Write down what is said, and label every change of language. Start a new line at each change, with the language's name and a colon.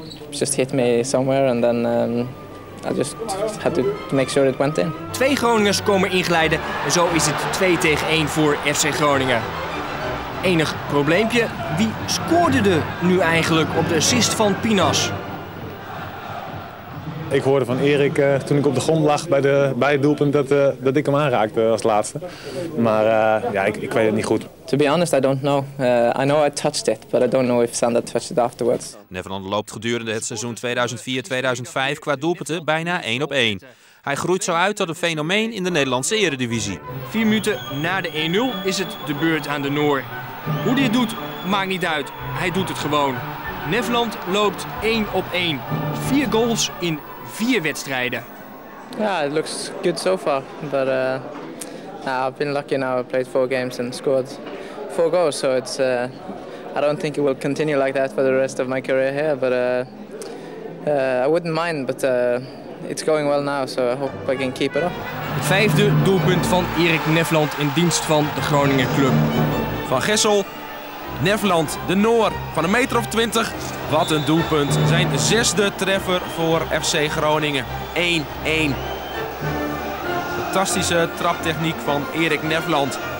English: Just hit me somewhere and then I just had to make sure it went in.
Dutch: Twee Groningers komen inglijden en zo is het 2-1 voor FC Groningen. Enig probleempje, wie scoorde er nu eigenlijk op de assist van Pinas? Ik hoorde van Erik toen ik op de grond lag bij het doelpunt dat ik hem aanraakte als laatste. Maar ik weet het niet goed.
English: To be honest, I don't know. I know I touched it, but I don't know if Sander touched it afterwards.
Dutch: Nevland loopt gedurende het seizoen 2004-2005 qua doelpunten bijna 1-1. Hij groeit zo uit tot een fenomeen in de Nederlandse Eredivisie. 4 minuten na de 1-0 is het de beurt aan de Noor. Hoe hij het doet, maakt niet uit. Hij doet het gewoon. Nevland loopt 1-1. 4 goals in 4 wedstrijden.
English: Ja, yeah, it looks good so far, but I've been lucky now. I played 4 games and scored 4 goals, so it's I don't think it will continue like that for the rest of my career here, but I wouldn't mind, but it's going well now, so I hope I can keep it up.
Dutch: Het 5e doelpunt van Erik Nevland in dienst van de Groningen Club. Van Gissel, Nevland, de Noor van 1,20 meter. Wat een doelpunt. Zijn 6e treffer voor FC Groningen. 1-1. Fantastische traptechniek van Erik Nevland.